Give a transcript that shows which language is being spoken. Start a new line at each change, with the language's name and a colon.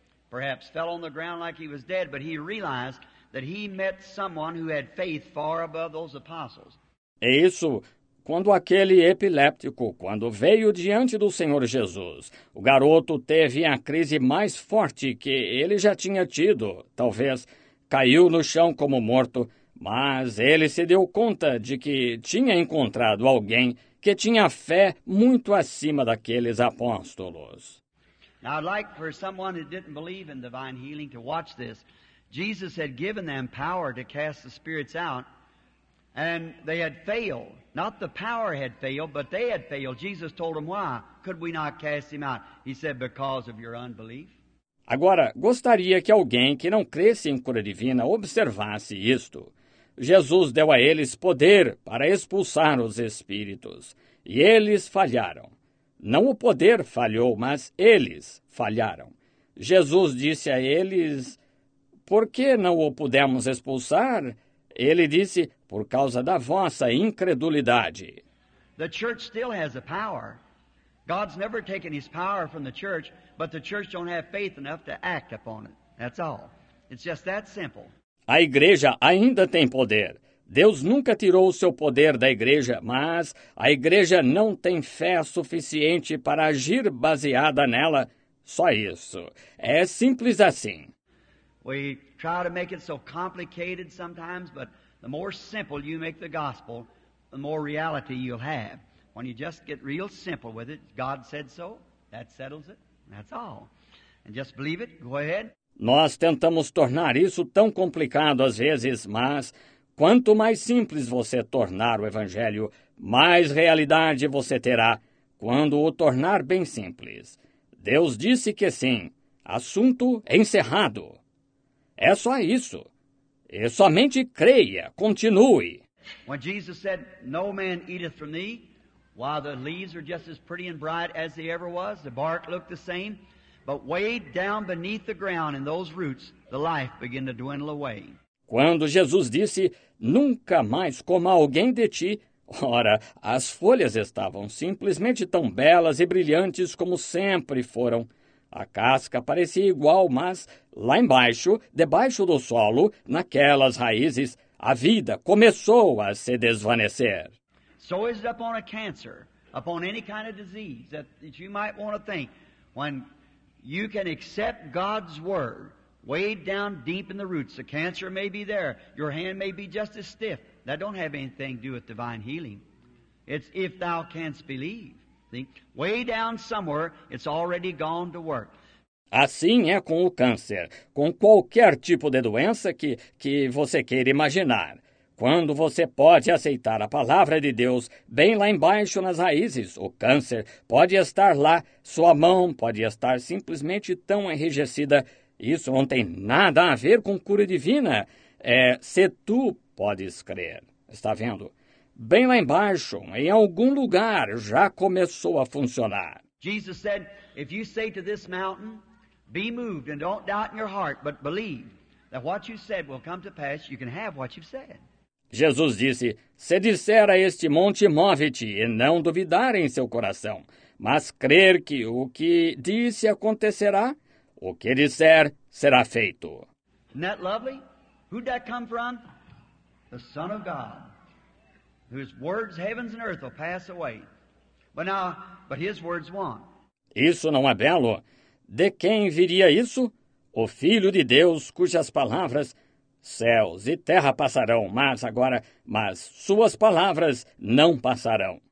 English: Perhaps fell on the ground like he was dead, but he realized that he met someone who had faith far above those apostles.
Portuguese: É isso. Quando aquele epiléptico, quando veio diante do Senhor Jesus, o garoto teve a crise mais forte que ele já tinha tido, talvez caiu no chão como morto, mas ele se deu conta de que tinha encontrado alguém que tinha fé muito acima daqueles apóstolos.
English: Now, I'd like for someone who didn't believe in divine healing to watch this. Jesus had given them power to cast the spirits out, and they had failed. Not the power had failed, but they had failed. Jesus told them, "Why could we not cast him out?" He said, "Because of your unbelief."
Portuguese: Agora, gostaria que alguém que não cresce em cura divina observasse isto. Jesus deu a eles poder para expulsar os espíritos, e eles falharam. Não o poder falhou, mas eles falharam. Jesus disse a eles, "Por que não o pudemos expulsar?" Ele disse, "Por causa da vossa incredulidade."
English: The church still has the power. God's never taken his power from the church, but the church don't have faith enough to act upon it. That's all. It's just that simple.
Portuguese: A igreja ainda tem poder. Deus nunca tirou o seu poder da igreja, mas a igreja não tem fé suficiente para agir baseada nela. Só isso. É simples assim.
English: We try to make it so complicated sometimes, but the more simple you make the gospel, the more reality you'll have. When you just get real simple with it, God said so, that settles it, that's all. And just believe it, go ahead.
Portuguese: Nós tentamos tornar isso tão complicado às vezes, mas quanto mais simples você tornar o evangelho, mais realidade você terá quando o tornar bem simples. Deus disse que sim. Assunto encerrado. É só isso. E somente creia. Continue.
English: When Jesus said, "No man eateth from thee," while the leaves are just as pretty and bright as they ever was, the bark looked the same, but way down beneath the ground in those roots, the life began to dwindle away.
Portuguese: Quando Jesus disse, "Nunca mais coma alguém de ti," ora, as folhas estavam simplesmente tão belas e brilhantes como sempre foram. A casca parecia igual, mas lá embaixo, debaixo do solo, naquelas raízes, a vida começou a se desvanecer.
English: So is it upon a cancer, upon any kind of disease that you might want to think, when you can accept God's word, way down deep in the roots, the cancer may be there. Your hand may be just as stiff. That don't have anything to do with divine healing. It's if thou canst believe. See? Way down somewhere, it's already gone to work.
Portuguese: Assim é com o câncer, com qualquer tipo de doença que você queira imaginar. Quando você pode aceitar a palavra de Deus bem lá embaixo nas raízes, o câncer pode estar lá, sua mão pode estar simplesmente tão enrijecida. Isso não tem nada a ver com cura divina. É se tu podes crer. Está vendo? Bem lá embaixo, em algum lugar, já começou a funcionar.
English: Jesus said, "If you say to this mountain, be moved and don't doubt in your heart, but believe that what you said will come to pass, you can have what you've said."
Portuguese: Jesus disse, "Se disser a este monte, move-te, e não duvidar em seu coração, mas crer que o que disse acontecerá, o que disser será feito."
English: Isn't that lovely? Who'd that come from? The Son of God, whose words heavens and earth will pass away. But now, but his words won't.
Portuguese: Isso não é belo? De quem viria isso? O Filho de Deus, cujas palavras céus e terra passarão, mas suas palavras não passarão.